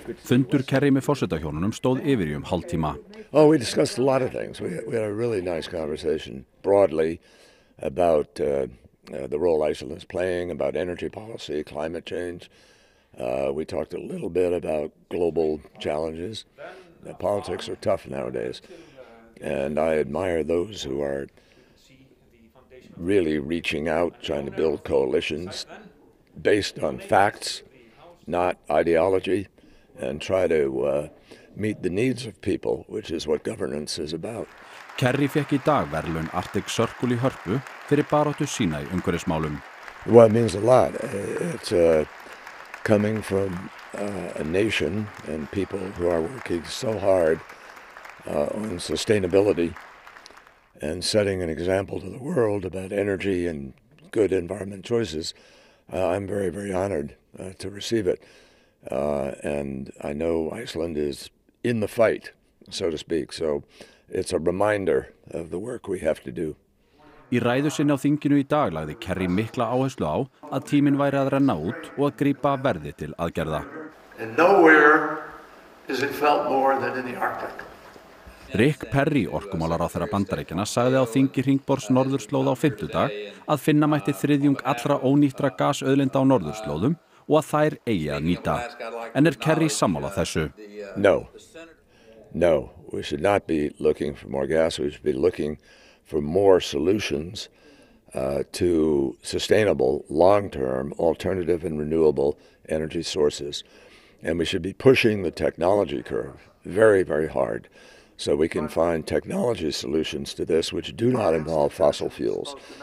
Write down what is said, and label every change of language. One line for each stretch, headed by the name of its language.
Icelandic: Fundur Kerry með forseta hjónunum stóð yfir í hálftíma.
English: Oh, we discussed a lot of things. We had a really nice conversation broadly about the role Iceland is playing, about energy policy, climate change. We talked a little bit about global challenges. The politics are tough nowadays, and I admire those who are really reaching out, trying to build coalitions based on facts, not ideology, and try to meet the needs of people, which is what governance is about.
Icelandic: Kerry fékk í dag verðlaun Arctic Circle í Hörpu fyrir baráttu sína í umhverfismálum.
English: Well, it means a lot. It's coming from a nation and people who are working so hard on sustainability and setting an example to the world about energy and good environment choices, I'm very, very honored to receive it. And I know Iceland is in the fight, so to speak, so it's a reminder of the work we have to do.
Icelandic: Í ræðu sinni á þinginu í dag lagði Kerry mikla áherslu á að tíminn væri að renna út og að grípa verði til aðgerða.
English: And nowhere is it felt more than in the Arctic.
Icelandic: Rick Perry, orkumálaráðherra Bandaríkjanna, sagði á þingi Hringborgs norðurslóð á fimmtudag að finna mætti þriðjung allra ónýttra gasauðlinda á norðurslóðum og að þær eigi að nýta. En Kerry sammála þessu?
English: No. No, we should not be looking for more gas. We should be looking for more solutions to sustainable, long-term, alternative and renewable energy sources. And we should be pushing the technology curve very, very hard so we can find technology solutions to this which do not involve fossil fuels.